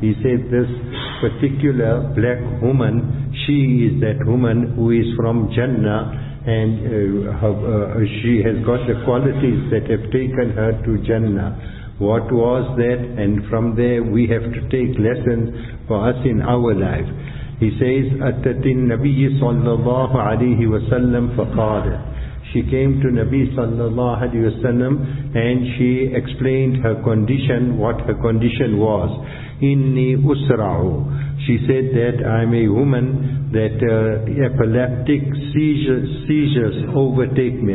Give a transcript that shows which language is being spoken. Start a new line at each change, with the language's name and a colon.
English: He said, this particular black woman, she is that woman who is from Jannah, and she has got the qualities that have taken her to Jannah. What was that? And from there we have to take lessons for us in our life. He says,
Arabic: أَتَّتِ النَّبِيِّ صَلَّى اللَّهُ عَلَيْهِ وَسَلَّمْ فَقَالَ.
English: She came to Nabi
Arabic: sallallahu alayhi wasallam
English: and she explained her condition, what her condition was. Inni usra'u. She said that I'm a woman that epileptic seizures overtake me.